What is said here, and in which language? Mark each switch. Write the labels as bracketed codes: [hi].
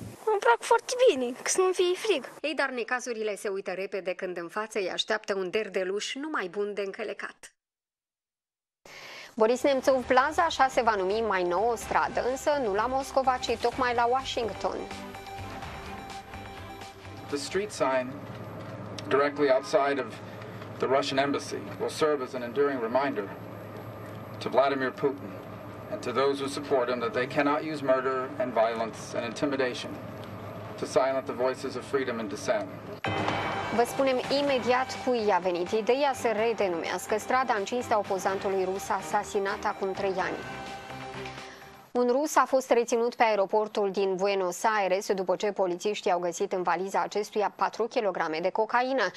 [ro] Mă plac foarte bine, că să nu fie frig. Ei, dar necazurile se uită repede când în față îi așteaptă un derdeluș numai bun de încălecat. Boris Nemțov Plaza, așa se va numi mai nou o stradă, însă nu la Moscova, ci tocmai la Washington. [en] The street sign directly outside of the Russian embassy will serve as an enduring reminder to Vladimir Putin and to those who support him that they cannot use murder and violence and intimidation to silence the voices of freedom and dissent. [ro] Vă spunem imediat cui a venit ideea să redenumească strada în cinstea opozantului rus asasinat acum 3 ani. Un rus a fost reținut pe aeroportul din Buenos Aires după ce polițiștii au găsit în valiza acestuia 4 kg de cocaină.